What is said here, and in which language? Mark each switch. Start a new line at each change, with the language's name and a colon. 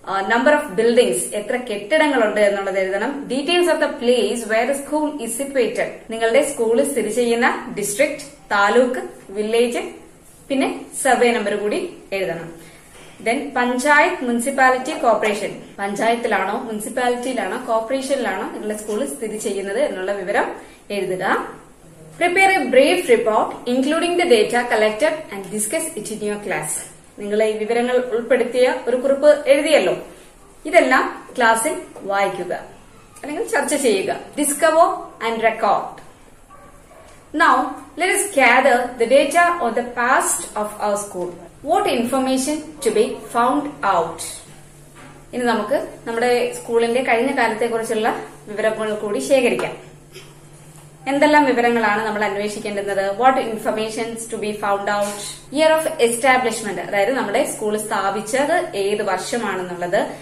English: number of buildings
Malayalam: എത്ര കെട്ടിടങ്ങളുണ്ട് എന്നുള്ളത് എഴുതണം.
English: details of the place where the school is situated,
Malayalam: നിങ്ങളുടെ സ്കൂൾ സ്ഥിതി ചെയ്യുന്ന ഡിസ്ട്രിക്ട്, താലൂക്ക്, വില്ലേജ്, പിന്നെ സർവേ നമ്പർ കൂടി എഴുതണം. ദെൻ പഞ്ചായത്ത്, മുനിസിപ്പാലിറ്റി, കോർപ്പറേഷൻ, പഞ്ചായത്തിലാണോ മുനിസിപ്പാലിറ്റിയിലാണോ കോർപ്പറേഷനിലാണോ നിങ്ങളുടെ സ്കൂൾ സ്ഥിതി ചെയ്യുന്നത് എന്നുള്ള വിവരം എഴുതുക.
English: Prepare a brief report including the data collected and discuss it in your class.
Malayalam: നിങ്ങളെ ഈ വിവരങ്ങൾ ഉൾപ്പെടുത്തിയ ഒരു കുറിപ്പ് എഴുതിയല്ലോ, ഇതെല്ലാം ക്ലാസ്സിൽ വായിക്കുക അല്ലെങ്കിൽ ചർച്ച ചെയ്യുക.
English: Discover and record. Now let us gather the data on the past of our school. What information to be found out?
Malayalam: ഇനി നമുക്ക് നമ്മുടെ സ്കൂളിന്റെ കഴിഞ്ഞ കാലത്തെ കുറിച്ചുള്ള വിവരങ്ങൾ കൂടി ശേഖരിക്കാം. എന്തെല്ലാം വിവരങ്ങളാണ് നമ്മൾ അന്വേഷിക്കേണ്ടത്?
English: What informations to be found out? Year of establishment,
Malayalam: അതായത് നമ്മുടെ സ്കൂൾ സ്ഥാപിച്ചത് ഏത് വർഷമാണെന്നുള്ളത്.